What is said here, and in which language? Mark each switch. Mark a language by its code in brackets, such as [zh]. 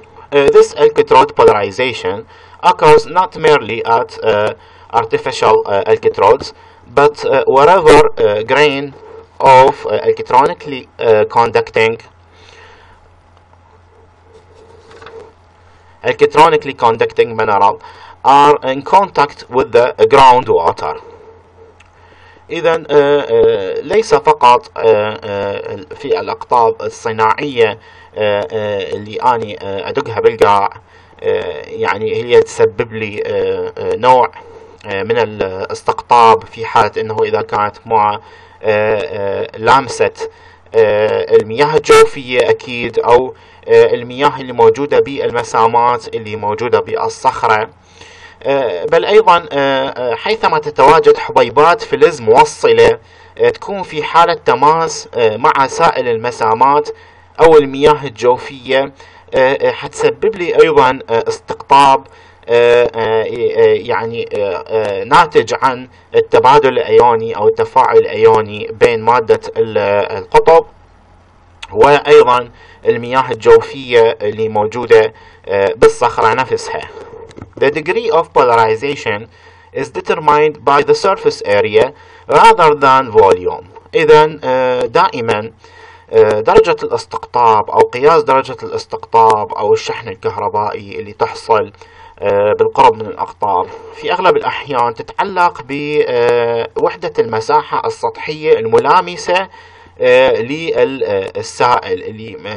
[en] This electrode polarization occurs not merely at artificial electrodes but wherever grain of electronically conducting mineral are in contact with the groundwater. [ar] إذا ليس فقط في الأقطاب الصناعية اللي أني أدقها بالقاع يعني هي تسبب لي نوع من الاستقطاب في حالة أنه إذا كانت مع لامسة المياه الجوفية أكيد أو المياه اللي موجودة بالمسامات اللي موجودة بالصخرة بل أيضا حيثما تتواجد حبيبات فلز موصلة تكون في حالة تماس مع سائل المسامات أو المياه الجوفية حتسبب لي أيضا استقطاب يعني ناتج عن التبادل الأيوني أو التفاعل الأيوني بين مادة القطب وأيضا المياه الجوفية اللي موجودة بالصخرة نفسها. [en] The degree of polarization is determined by the surface area rather than volume. [ar] إذا دائما درجة الاستقطاب أو قياس درجة الاستقطاب أو الشحن الكهربائي اللي تحصل بالقرب من الأقطاب في أغلب الأحيان تتعلق بوحدة المساحة السطحية الملامسة للسائل اللي